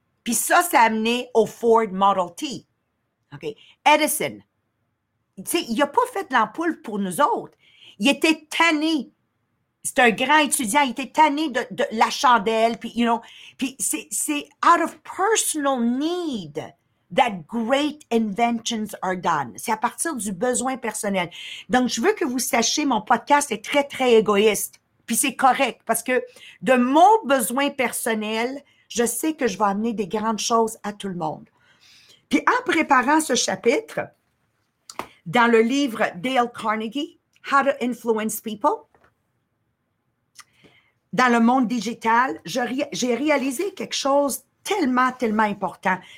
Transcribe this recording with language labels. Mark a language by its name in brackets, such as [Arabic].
[French] Puis ça, ça a amené au Ford Model T. OK. Edison. Tu sais, il n'a pas fait l'ampoule pour nous autres. Il était tanné. C'est un grand étudiant. Il était tanné de la chandelle. Puis, [English] you know, [French] puis c'est [English] out of personal need that great inventions are done. [French] C'est à partir du besoin personnel. Donc, je veux que vous sachiez, mon podcast est très, très égoïste. Puis c'est correct parce que de mon besoin personnel, je sais que je vais amener des grandes choses à tout le monde. Puis en préparant ce chapitre, dans le livre Dale Carnegie, How to Influence People, dans le monde digital, j'ai réalisé quelque chose tellement, tellement important.